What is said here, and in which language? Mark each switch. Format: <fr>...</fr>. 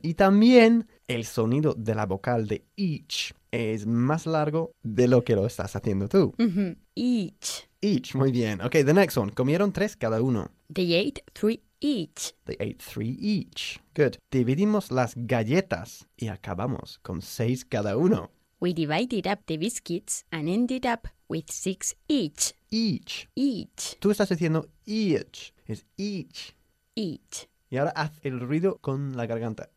<es>Y también el sonido de la vocal de each es más largo de lo que lo estás haciendo tú.</es> <en>Mm-hmm. Each.</en> <es>Each, muy bien.</es> <en>Okay, the next one.</en> <es>Comieron tres cada uno.</es> <en>They ate three each. They ate three each. Good.</en> <es>Dividimos las galletas y acabamos con seis cada uno.</es> <en>We divided up the biscuits and ended up with six each. Each. Each.</en> <es>Tú estás diciendo each. Es each.</es> <en>Each.</en> <es>Y ahora haz el ruido con la garganta.</es>